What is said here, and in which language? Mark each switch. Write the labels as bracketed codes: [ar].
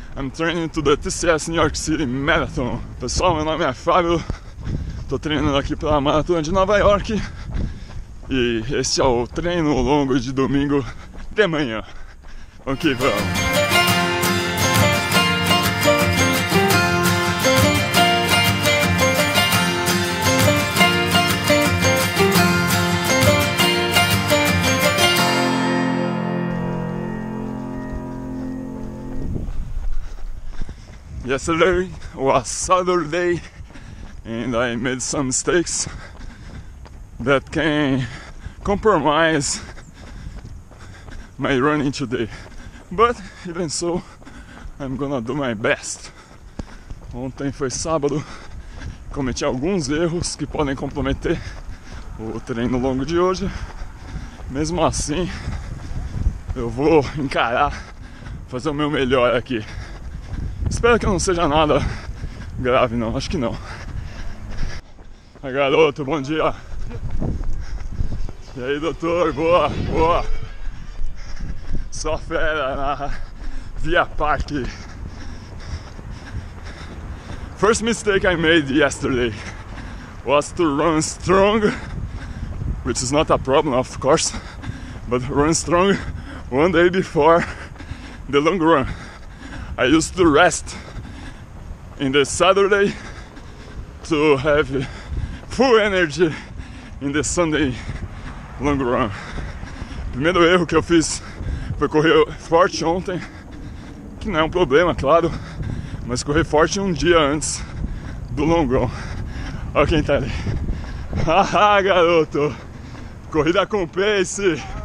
[en] I'm training to the TCS New York City Marathon. [pt] Pessoal, meu nome é Fábio. Tô treinando aqui pela Maratona de Nova York. E esse é o treino longo de domingo de manhã. Vamos que vamos. [en] Yesterday was Saturday and I made some mistakes that can compromise my running today. But even so, I'm gonna do my best. [pt] Ontem foi sábado, cometi alguns erros que podem comprometer o treino longo de hoje. Mesmo assim, eu vou encarar, fazer o meu melhor aqui. Espero que não seja nada grave, não, acho que não. Aí, garoto, bom dia. E aí, doutor, boa, boa. Só fera na Via Parque. [en] First mistake I made yesterday was to run strong, which is not a problem, of course, but run strong one day before the long run. I used to rest in the Saturday to have full energy in the Sunday long run. [pt] Primeiro erro que eu fiz foi correr forte ontem, que não é um problema, claro, mas correr forte um dia antes do long run. Olha quem tá ali. Haha, garoto! Corrida com pace!